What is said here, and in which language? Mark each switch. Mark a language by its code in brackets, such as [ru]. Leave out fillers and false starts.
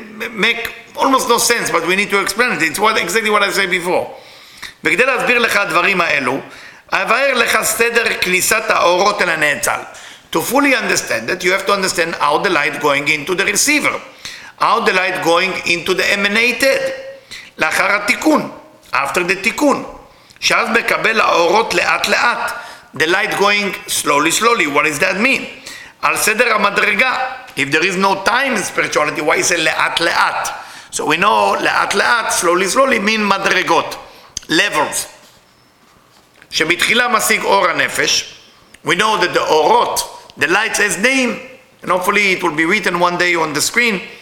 [en] Make almost no sense, but we need to explain it. It's exactly what I said before. [he] וכדי להסביר לך הדברים האלו, אבהר לך סדר כניסת האורות אל הנאצל. [en] To fully understand that, you have to understand how the light going into the receiver. How the light going into the emanated. [he] לאחר התיקון, [en] after the [he] תיקון. שאז מקבל האורות לאט לאט. [en] The light going slowly, slowly. What does that mean? [he] Al seder ha-madrega. [en] If there is no time in spirituality, why is it le'at le'at? So we know le'at le'at, slowly, slowly, mean madregot, levels. [he] Shebitchila masig or ha-nefesh. [en] We know that the orot, the light has name, and hopefully it will be written one day on the screen.